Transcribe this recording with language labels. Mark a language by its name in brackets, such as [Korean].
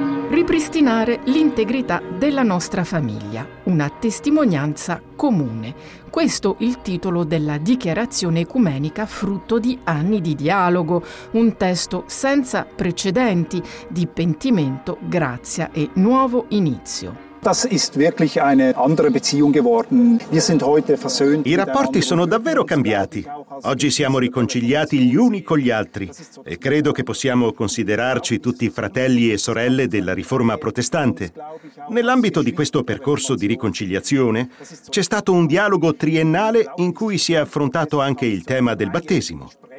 [Italian] Ripristinare l'integrità della nostra famiglia, una testimonianza comune. Questo il titolo della dichiarazione ecumenica frutto di anni di dialogo, un testo senza precedenti di pentimento, grazia e nuovo inizio. [German] Das ist wirklich eine andere Beziehung geworden. Wir sind heute versöhnt. [Italian] I rapporti sono davvero cambiati. Oggi siamo riconciliati gli uni con gli altri e credo che possiamo considerarci tutti fratelli e sorelle della Riforma protestante. Nell'ambito di questo percorso di riconciliazione c'è stato un dialogo triennale in cui si è affrontato anche il tema del battesimo.